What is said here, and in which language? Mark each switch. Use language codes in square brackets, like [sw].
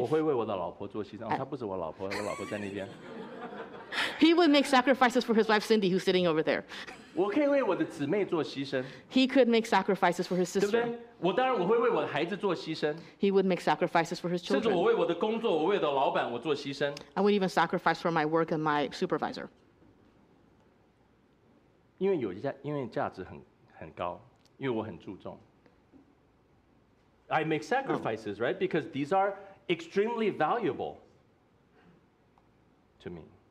[zh] 我会为我的老婆做牺牲，她不是我老婆，我老婆在那边。 [en] He would make sacrifices for his wife Cindy, who's sitting over there. [zh] 我可以为我的姊妹做牺牲。 [en] He could make sacrifices for his sister. [zh] 对不对？我当然我会为我的孩子做牺牲。 [en] He would make sacrifices for his children. [zh] 甚至我为我的工作，我为我的老板，我做牺牲。 [en] I would even sacrifice for my work and my supervisor. [zh] 因为价值很高，因为我很注重。 [en] I make sacrifices, right? Because these are extremely valuable to me.